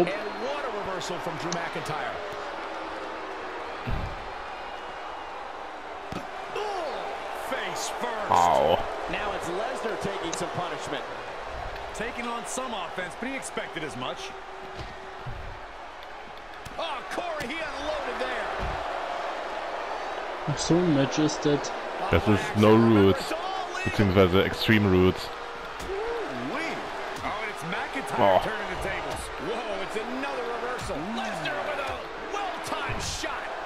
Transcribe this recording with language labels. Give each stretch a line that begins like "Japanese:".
German: Und was ein Reversal von Drew McIntyre. Wow.
English: Now it's Lesnar taking some punishment. Taking on some offense, but he expected as much. Oh, Corey, he unloaded there.
German: Ach so, ein Match ist das. Das ist No Roots, beziehungsweise Extreme Roots.
English: Oh, and it's McIntyre oh. Turning the tables. Whoa, it's another reversal. Lesnar with a well-timed shot.